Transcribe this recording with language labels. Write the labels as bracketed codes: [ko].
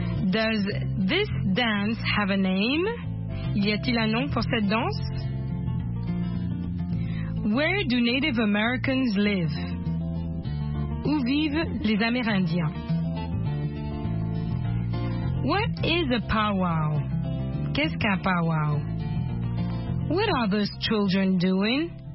[en] Does this dance have a name? [fr] Y a-t-il un nom pour cette danse? [en] Where do Native Americans live? [fr] Où vivent les Amérindiens? [en] What is a powwow? [fr] Qu'est-ce qu'un powwow? [en] What are those children doing?